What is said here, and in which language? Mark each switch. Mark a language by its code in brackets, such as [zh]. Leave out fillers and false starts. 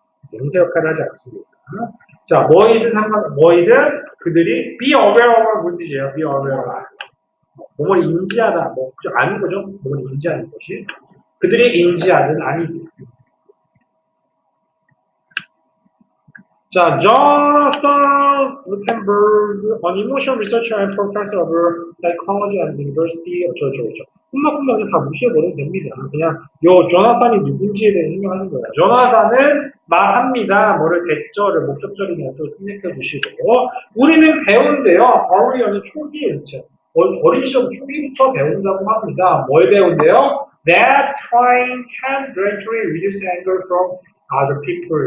[ko] 명사 역할을 하지 않습니다. 자, 뭐이든 상관, 뭐이든 그들이 [en] be aware of [ko] 무슨 뜻이에요? be aware of. 몸을 인지하다, 뭐, 그죠? 아는 거죠? 몸을 인지하는 것이. 그들이 인지하는 아니지. [en] 자, Jonathan Rutenberg, an emotional researcher and professor of psychology at the university. [ko] 어쩌죠. 꿈막꿈막 다 무시해버리면 됩니다. 그냥, 요, 조나단이 누군지에 대해 설명하는 거야. 조나단은 말합니다. 뭐를 대절을, 목적절이냐, 또 생각해주시고. 우리는 배운대요. earlier는 초기에 있죠. 어린 시절 초기부터 배운다고 합니다. 뭘 배운대요? [en] That time can gradually reduce anger from other people.